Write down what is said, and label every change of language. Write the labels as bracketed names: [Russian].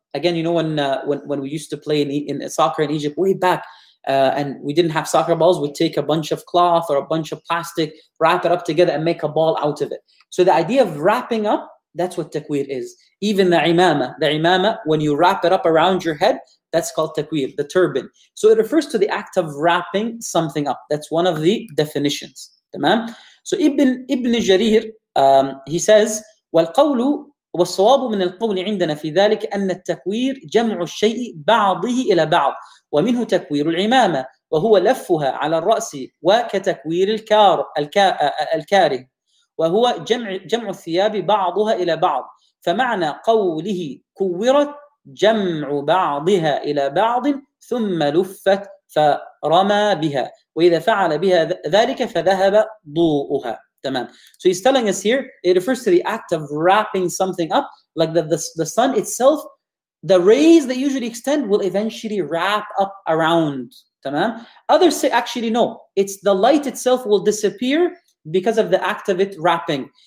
[English] Again, you know when we used to play in soccer in Egypt way back, and we didn't have soccer balls, we'd take a bunch of cloth or a bunch of plastic, wrap it up together and make a ball out of it. So the idea of wrapping up, that's what takweer is. Even the imama, when you wrap it up around your head, that's called takweer, the turban. So it refers to the act of wrapping something up. That's one of the definitions. Tamam? So Ibn Jarir, he says, [Arabic] وَالْقَوْلُ وَالصَّوَابُ مِنَ الْقَوْلِ عِنْدَنَا فِي ذَلِكَ أَنَّ التَّكْوِيرُ جَمْعُ الشَّيْءِ بَعْضِهِ إِلَى بَعْضٍ ومنه تكوير العمامة وهو لفها على الرأس وكتكوير الكاره وهو جمع الثياب بعضها إلى بعض فمعنى قوله كورت جمع بعضها إلى بعض ثم لفت فرمى بها وإذا فعل بها ذلك فذهب ضوءها. [English] Tamam. So he's telling us here, it refers to the act of wrapping something up, like the sun itself. The rays that usually extend will eventually wrap up around. Tamam? Others say, actually, no. It's the light itself will disappear because of the act of it wrapping.